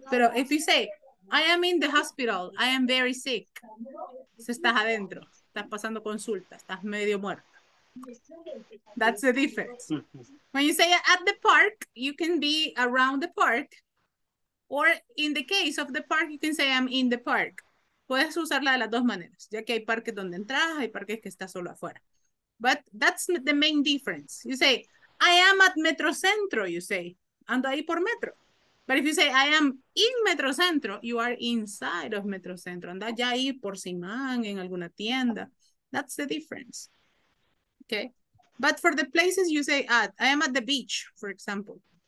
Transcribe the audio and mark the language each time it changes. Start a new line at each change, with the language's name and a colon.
Spanish: Pero
English: if you say, I am in the hospital, I am very sick,
Spanish: estás adentro, estás pasando consulta, estás medio muerto.
English: That's the difference. When you say at the park, you can be around the park, or in the case of the park, you can say I'm in the park.
Spanish: Puedes usarla de las dos maneras, ya que hay parques donde entras, hay parques que estás solo afuera.
English: But that's the main difference. You say, I am at Metrocentro, you say.
Spanish: Ando ahí por metro.
English: But if you say, I am in Metrocentro, you are inside of Metrocentro.
Spanish: Anda ya ahí por Simán, en alguna tienda.
English: That's the difference. Okay? But for the places you say, I am at the beach, for example.